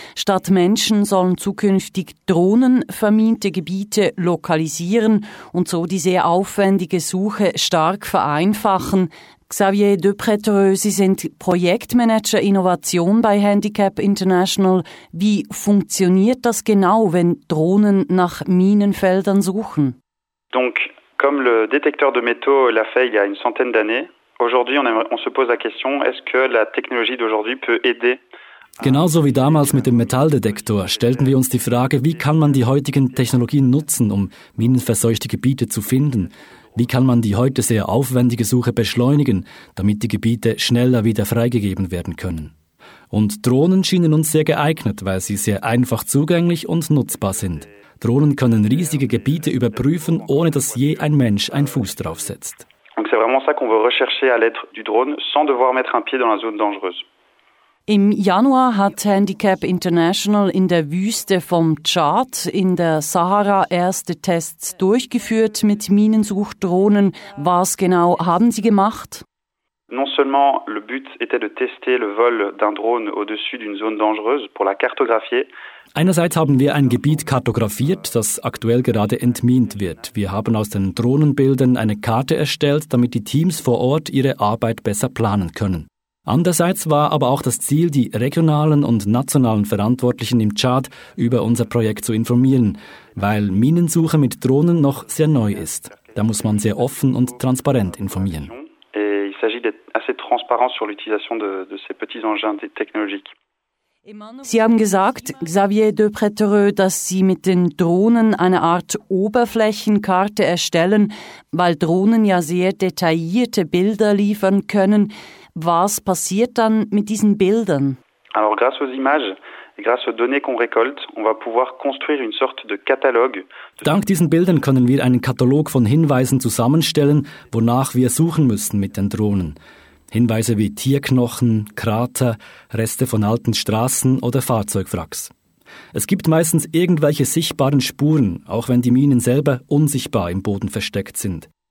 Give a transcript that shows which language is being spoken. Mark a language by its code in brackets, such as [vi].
[de] Statt Menschen sollen zukünftig Drohnen vermiente Gebiete lokalisieren und so die sehr aufwendige Suche stark vereinfachen. Xavier de Pretereux, Sie sind Projektmanager Innovation bei Handicap International. Wie funktioniert das genau, wenn Drohnen nach Minenfeldern suchen? [fr] Donc, comme le détecteur de métaux l'a fait il y a une centaine d'années, aujourd'hui on se pose la question, est-ce que la technologie d'aujourd'hui peut aider? [de] Genauso wie damals mit dem Metalldetektor stellten wir uns die Frage, wie kann man die heutigen Technologien nutzen, um minenverseuchte Gebiete zu finden? Wie kann man die heute sehr aufwendige Suche beschleunigen, damit die Gebiete schneller wieder freigegeben werden können? Und Drohnen schienen uns sehr geeignet, weil sie sehr einfach zugänglich und nutzbar sind. Drohnen können riesige Gebiete überprüfen, ohne dass je ein Mensch einen Fuß drauf setzt. [fr] Donc c'est vraiment ça qu'on veut rechercher à l'aide du drone sans devoir mettre un pied dans la zone dangereuse. [de] Im Januar hat Handicap International in der Wüste vom Tschad in der Sahara erste Tests durchgeführt mit Minensuchdrohnen. Was genau haben Sie gemacht? [fr] Non seulement le but était de tester le vol d'un drone au-dessus d'une zone dangereuse pour la cartographier. [de] Einerseits haben wir ein Gebiet kartografiert, das aktuell gerade entmint wird. Wir haben aus den Drohnenbildern eine Karte erstellt, damit die Teams vor Ort ihre Arbeit besser planen können. Andererseits war aber auch das Ziel, die regionalen und nationalen Verantwortlichen im Tschad über unser Projekt zu informieren, weil Minensuche mit Drohnen noch sehr neu ist. Da muss man sehr offen und transparent informieren. [fr] Il s'agit d'être assez transparent sur l'utilisation de ces petits engins technologiques. [de] Sie haben gesagt, Xavier de Pretereux, dass Sie mit den Drohnen eine Art Oberflächenkarte erstellen, weil Drohnen ja sehr detaillierte Bilder liefern können. Was passiert dann mit diesen Bildern? [fr] Alors grâce aux images et grâce aux données qu'on récolte, on va pouvoir construire une sorte de catalogue. [de] Dank diesen Bildern können wir einen Katalog von Hinweisen zusammenstellen, wonach wir suchen müssen mit den Drohnen. Hinweise wie Tierknochen, Krater, Reste von alten Straßen oder Fahrzeugwracks. Es gibt meistens irgendwelche sichtbaren Spuren, auch wenn die Minen selber unsichtbar im Boden versteckt sind.